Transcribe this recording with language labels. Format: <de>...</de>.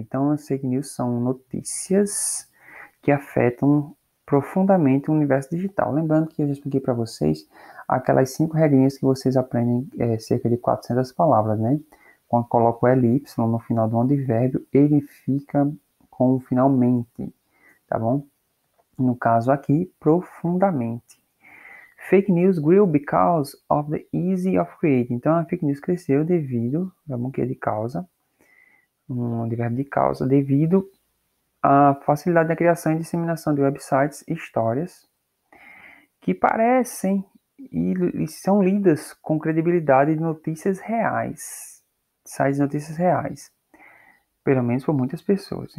<pt>Então, as fake news são notícias que afetam profundamente o universo digital. Lembrando que eu já expliquei para vocês aquelas cinco regrinhas que vocês aprendem, cerca de 400 palavras, né? Quando coloca o ly no final do advérbio, ele fica com o final mente, tá bom? No caso aqui, profundamente.</pt> <en>Fake news grew because of the ease of creating.</en> <pt>Então, a fake news cresceu devido, tá bom? Que é de causa. Um advérbio de causa, devido à facilidade da criação e disseminação de websites e histórias que parecem e são lidas com credibilidade de notícias reais, sites de notícias reais, pelo menos por muitas pessoas.</pt>